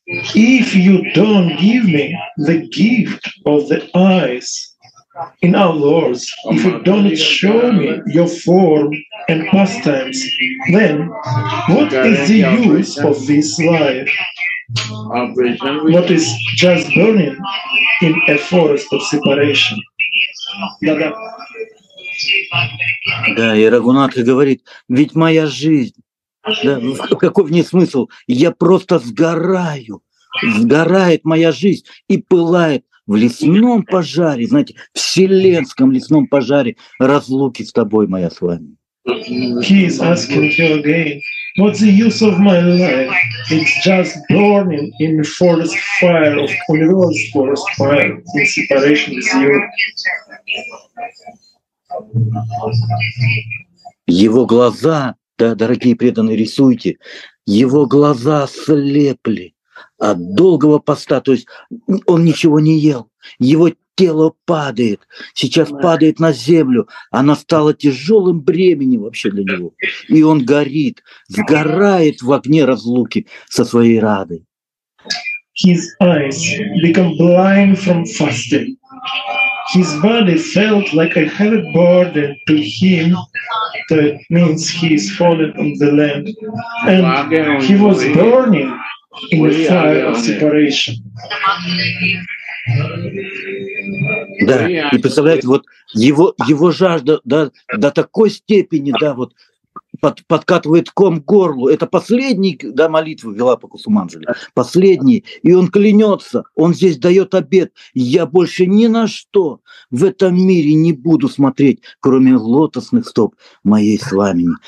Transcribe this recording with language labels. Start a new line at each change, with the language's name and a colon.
English: if you don't give me the gift of the eyes in our Lord's, if you don't show me your form and pastimes, then what is the use of this life? What is just burning in a forest of separation?
Russian: Да, и Рагунатха говорит, ведь моя жизнь, Да, ну, какой в ней смысл? Я просто сгораю. Сгорает моя жизнь и пылает в лесном пожаре, знаете, вселенском лесном пожаре разлуки с тобой, моя с вами.
English: He is asking you again, what's the use of my life? It's just burning in the forest fire, of Kuliro's forest fire, in separation with you.
Russian: Его глаза, да, дорогие преданные, рисуйте, его глаза слепли от долгого поста, то есть он ничего не ел, его тело падает, сейчас падает на землю, она стала тяжелым бременем вообще для него, и он горит, сгорает в огне разлуки со своей радой.
English: His eyes become blind from fasting. His body felt like a heavy burden to him, that means he is fallen on the land, and he was burning in the fire of separation.
Russian: Да, и представляете, вот его, его жажда, да, до такой степени, да, вот под, подкатывает ком к горлу. Это последний, да, молитва Вилапаку Суманджали, последний. И он клянется, он здесь дает обет. Я больше ни на что в этом мире не буду смотреть, кроме лотосных стоп моей сламени.